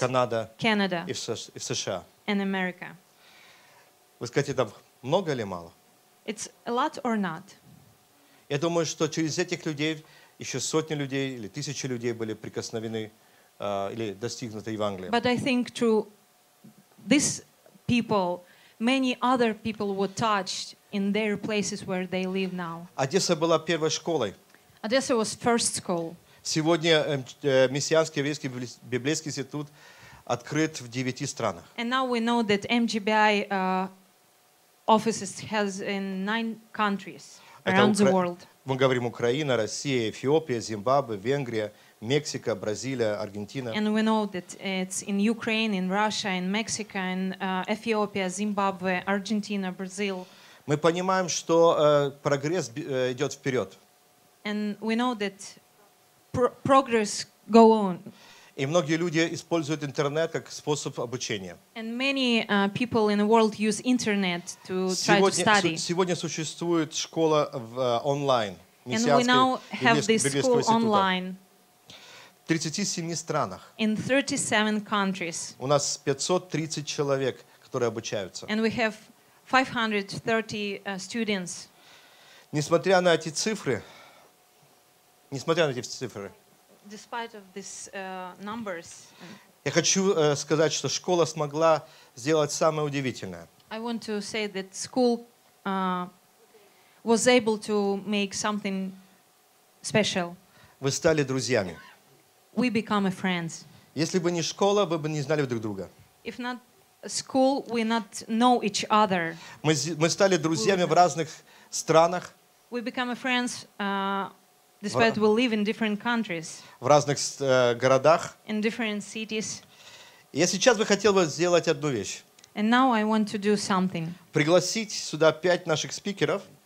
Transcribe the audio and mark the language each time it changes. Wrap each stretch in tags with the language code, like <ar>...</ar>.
<ru>Канада,</ru> <en>Canada,</en> <ru>и в США.</ru> <en>And America.</en> <ru>Вы скажете, там много или мало?</ru> <en>It's a lot or not?</en> <ru>Я думаю, что через этих людей еще сотни людей или тысячи людей были прикосновены или достигнуты Евангелием.</ru> <en>But I think through these people, many other people were touched in their places where they live now.</en> <ru>Одесса была первой школой.</ru> <en>Odessa was first school.</en> <ru>Сегодня Мессианский еврейский библейский институт открыт в 9 странах.</ru> <en>And now we know that MGBI offices has in 9 countries around the world.</en> <ru>Мы говорим Украина, Россия, Эфиопия, Зимбабве, Венгрия, Мексика, Бразилия, Аргентина.</ru> <en>And we know that it's in Ukraine, in Russia, in Mexico, in Ethiopia, Zimbabwe, Argentina, Brazil.</en> <ru>Мы понимаем, что прогресс идет вперед.</ru> <en>And we know that progress go on.</en> <ru>И многие люди используют интернет как способ обучения.</ru> <en>And many people in the world use internet to try to study.</en> <ru>Сегодня существует школа в онлайн.</ru> <en>And we now have this school online.</en> <ru>В 37 странах.</ru> <en>In 37 countries.</en> <ru>У нас 530 человек, которые обучаются.</ru> <en>And we have 530 students.</en> <ru>Несмотря на эти цифры,</ru> <en>despite of these numbers,</en> <ru>я хочу сказать, что школа смогла сделать самое удивительное.</ru> <en>I want to say that school was able to make something special.</en> <ru>Вы стали друзьями.</ru> <en>We become a friends.</en> <ru>Если бы не школа, вы бы не знали друг друга.</ru> <en>If not school, we not know each other.</en> <ru>Мы стали друзьями в разных странах.</ru> <en>We become friends despite we live in different countries,</en> <ru>в разных городах.</ru> <en>In different cities.</en> <ru>Я сейчас бы хотел бы сделать одну вещь.</ru> <en>And now I want to do something.</en> <ru>Пригласить сюда пять наших спикеров.</ru>